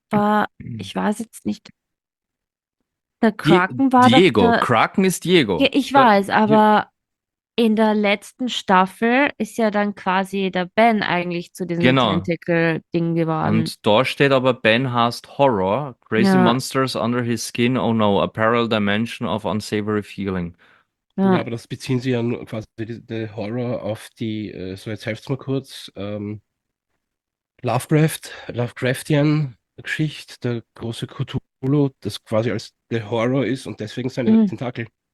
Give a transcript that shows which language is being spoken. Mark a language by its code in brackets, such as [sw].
[de] war, ich weiß jetzt nicht, der Kraken war doch Diego, der. Kraken ist Diego. Ich weiß, aber in der letzten Staffel ist ja dann quasi der Ben eigentlich zu diesem Genau. Tentacle-Ding geworden. Und da steht aber, Ben hasst Horror. [en] Crazy [de] Ja. [en] monsters under his skin. Oh no, a parallel dimension of unsavory feeling. [de] Ja. Aber das beziehen sie ja nur quasi der Horror auf die, so jetzt helft's mal kurz, Lovecraftian-Geschichte, der große Cthulhu, das quasi als der Horror ist und deswegen seine Tentakel.